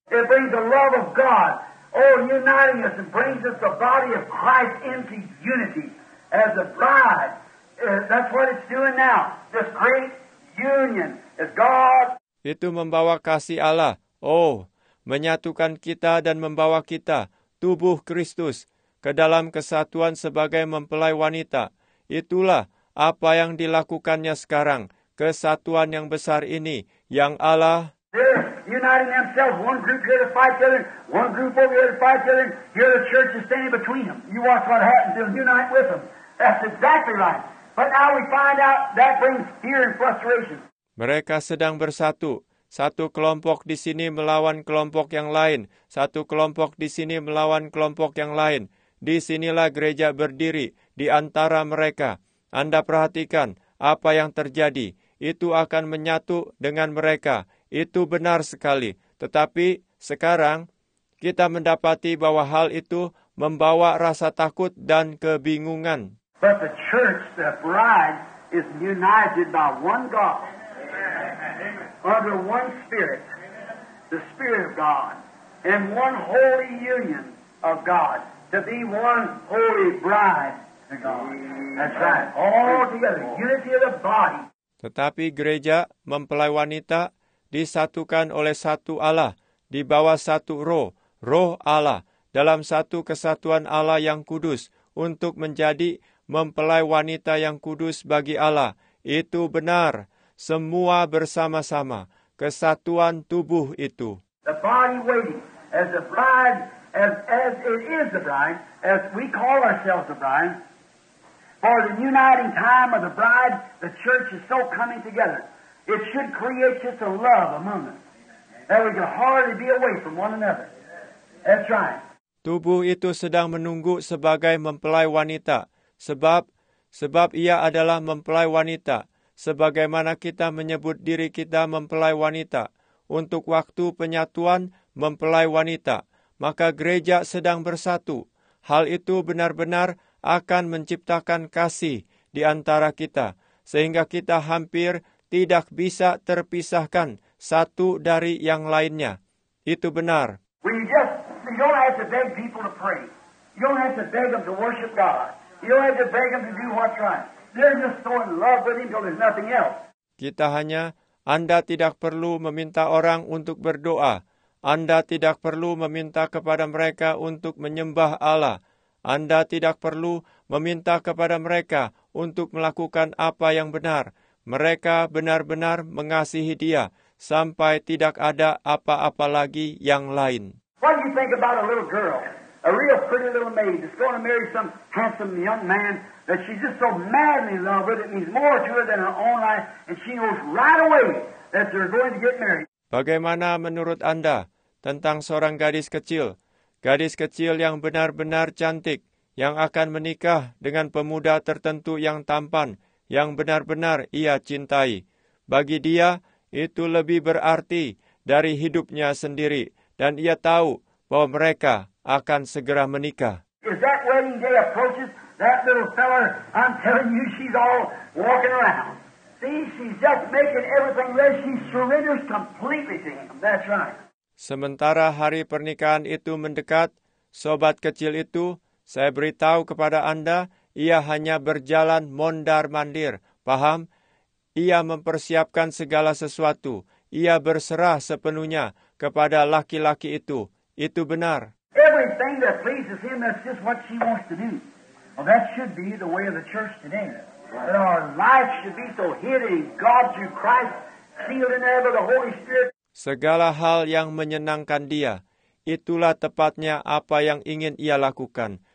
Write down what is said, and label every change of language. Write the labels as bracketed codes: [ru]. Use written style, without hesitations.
[en] It brings the love of God. Oh, uniting us and brings us the body of Christ into unity as a bride. That's what it's doing now. This great union is God. [id] Itu membawa kasih Allah. Oh, menyatukan kita dan membawa kita, tubuh Kristus, ke dalam kesatuan sebagai mempelai wanita. Itulah apa yang dilakukannya sekarang. Kesatuan yang besar ini, yang Allah. [en] They're uniting themselves. One group here to fight the other. One group over here to fight the other. Here the church is standing between them. You watch what happens. They'll unite with them. That's exactly right. But now we find out that brings fear and frustration. [id] Mereka sedang bersatu. Satu kelompok di sini melawan kelompok yang lain. Satu kelompok di sini melawan kelompok yang lain. Di sinilah gereja berdiri di antara mereka. Anda perhatikan apa yang terjadi. Itu akan menyatu dengan mereka. Itu benar sekali. Tetapi sekarang kita mendapati bahwa hal itu membawa rasa takut dan kebingungan. [en] But the church, the bride, is united by one God, amen, under one Spirit, amen, the Spirit of God, and one holy union of God, to be one holy bride to God. That's right. All together, unity of the body. [id] Tetapi gereja, mempelai wanita, disatukan oleh satu Allah, di bawah satu roh, roh Allah, dalam satu kesatuan Allah yang kudus, untuk menjadi mempelai wanita yang kudus bagi Allah. Itu benar. Semua bersama-sama. Kesatuan tubuh itu. [en] The body waiting as a bride, as it is a bride, as we call ourselves a bride, for the uniting time of the bride, the church is so coming together. It should create just a love among us. That we can hardly be away from one another. That's right. [id] Tubuh itu sedang menunggu sebagai mempelai wanita. Sebab ia adalah mempelai wanita, sebagaimana kita menyebut diri kita mempelai wanita, untuk waktu penyatuan mempelai wanita, maka gereja sedang bersatu. Hal itu benar-benar akan menciptakan kasih di antara kita, sehingga kita hampir tidak bisa terpisahkan satu dari yang lainnya. Itu benar. [en] You don't have to beg people to pray. You don't have to beg them to worship God. You don't have to beg them to do what's right. They're just so in love with him because there's nothing else. [id] Kita hanya, Anda tidak perlu meminta orang untuk berdoa. Anda tidak perlu meminta kepada mereka untuk menyembah Allah. Anda tidak perlu meminta kepada mereka untuk melakukan apa yang benar. Mereka benar-benar mengasihi dia sampai tidak ada apa-apa lagi yang lain. [en] What do you think about a little girl, a real pretty little maid that's going to marry some handsome young man that she's just so madly in love with, it means more to her than her own life, and she knows right away that they're going to get married. [id] Bagaimana menurut Anda tentang seorang gadis kecil yang benar-benar cantik, yang akan menikah dengan pemuda tertentu yang tampan, yang benar-benar ia cintai? Bagi dia, itu lebih berarti dari hidupnya sendiri, dan ia tahu bahwa mereka akan segera menikah. [en] As that wedding day approaches, that little fella, I'm telling you, she's all walking around. See, she's just making everything ready. She surrenders completely to him. That's right. [id] Sementara hari pernikahan itu mendekat, sobat kecil itu, saya beritahu kepada Anda, ia hanya berjalan mondar-mandir. Paham? Ia mempersiapkan segala sesuatu. Ia berserah sepenuhnya kepada laki-laki itu. Itu benar. [en] Everything that pleases him, that's just what she wants to do. Well, that should be the way of the church today. That our life should be so hidden in God through Christ, sealed in there by the Holy Spirit. [id] Segala hal yang menyenangkan dia, itulah tepatnya apa yang ingin ia lakukan.